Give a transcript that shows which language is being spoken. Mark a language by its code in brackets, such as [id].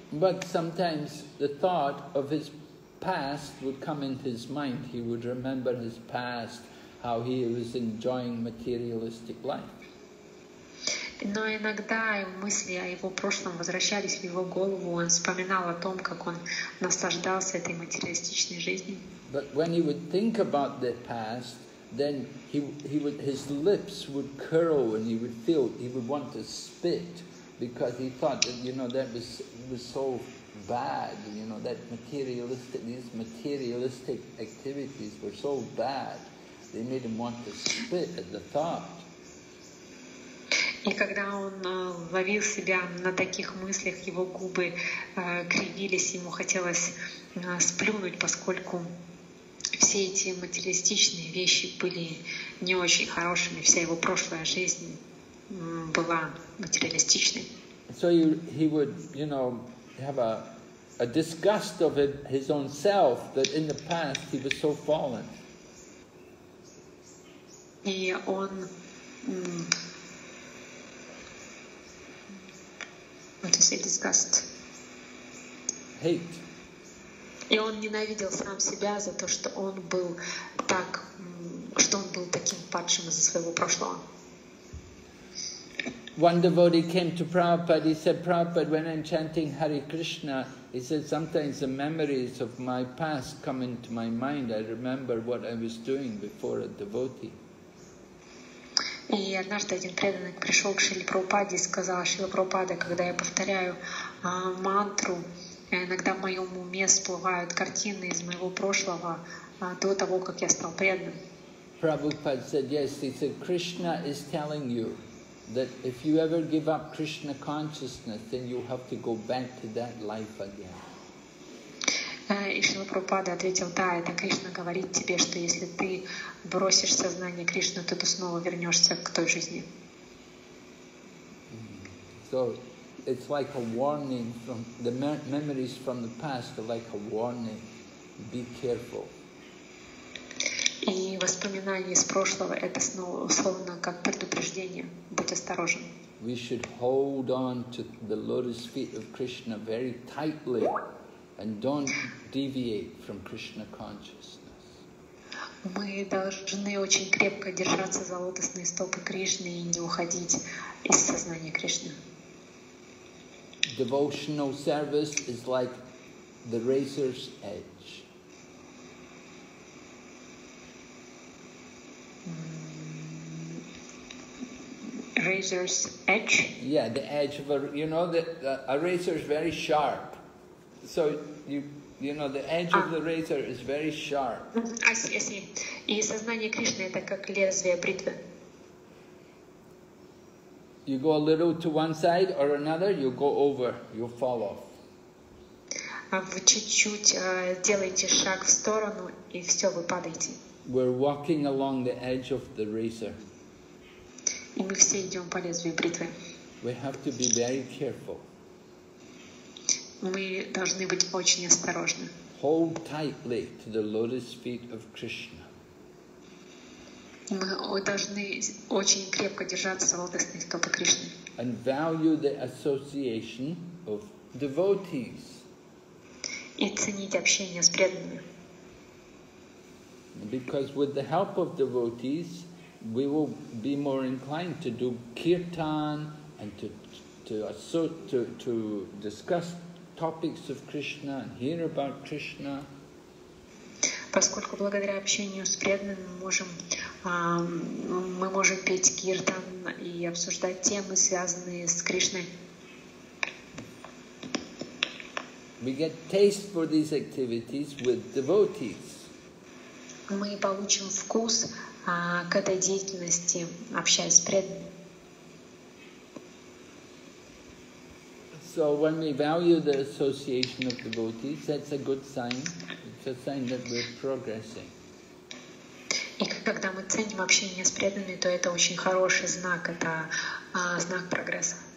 [en] But sometimes the thought of his past would come in his mind. He would remember his past, how he was enjoying materialistic life. [ru] Но иногда мысли о его прошлом возвращались в его голову. Он вспоминал о том, как он наслаждался этой материалистичной жизнью. [en] But when he would think about the past, then his lips would curl and he would want to spit because he thought that, you know, that was so bad, you know, that these materialistic activities were so bad, they made him want to spit at the thought. [ru] И когда он ловил себя на таких мыслях, его губы кривились, ему хотелось сплюнуть, поскольку все эти материалистичные вещи были не очень хорошими, вся его прошлая жизнь была материалистичной. [en] So he would, you know, have a disgust of it, his own self, that in the past he was so fallen. [ru] И он [en] what do you say, disgust? Hate. [ru] И он ненавидел сам себя за то, что он был так, что он был таким падшим из-за своего прошлого. [en] One devotee came to Prabhupada, he said, Prabhupada, when I'm chanting Hare Krishna, he said, sometimes the memories of my past come into my mind, I remember what I was doing before a devotee. [ru] И однажды один преданный пришел к Шриле Прабхупаде и сказал, Шрила Прабхупада, когда я повторяю мантру, иногда в моем уме всплывают картины из моего прошлого, до того, как я стал преданным. [en] Prabhupada said, yes, he said, Krishna is telling you that if you ever give up Krishna consciousness, then you have to go back to that life again. [ru] И Шрила Прабхупада ответил, да, это Кришна говорит тебе, что если ты бросишь сознание Кришны, то ты снова вернешься к той жизни. [en] So, it's like a warning from the memories from the past, like a warning, be careful. [ru] И воспоминания из прошлого, это снова условно как предупреждение, будь осторожен. [en] We should hold on to the lotus feet of Krishna very tightly. And don't deviate from Krishna consciousness. [ru] Мы должны очень крепко держаться за лотосные стопы Кришны и не уходить из сознания Кришны. [en] Devotional service is like the razor's edge. Razor's edge? Yeah, the edge of a, you know, a razor is very sharp. So you know the edge of the razor is very sharp. I see. [ru] И сознание Кришны это как лезвие бритвы. [en] You go a little to one side or another, you go over, you fall off. [ru] Вы чуть-чуть делаете шаг в сторону и все, вы падаете. [en] We're walking along the edge of the razor. [ru] И мы все идем по лезвию бритвы. [en] We have to be very careful. [ru] Мы должны быть очень осторожны. [en] Hold tightly to the lotus feet of Krishna. [ru] Мы должны очень крепко держаться за лотосные стопы Кришны. [en] And value the association of devotees. [ru] И ценить общение с преданными. [en] Because with the help of devotees, we will be more inclined to do kirtan and to discuss topics of Krishna and hear about Krishna. [ru] поскольку благодаря общению с преданными мы можем петь киртан и обсуждать темы, связанные с Кришной. [en] We get taste for these activities with devotees. [ru] Мы получим вкус к этой деятельности, общаясь с преданными. [en] So when we value the association of devotees, that's a good sign. It's a sign that we're progressing. [ru] И когда мы ценим общение с преданными, то это очень хороший знак, это знак прогресса.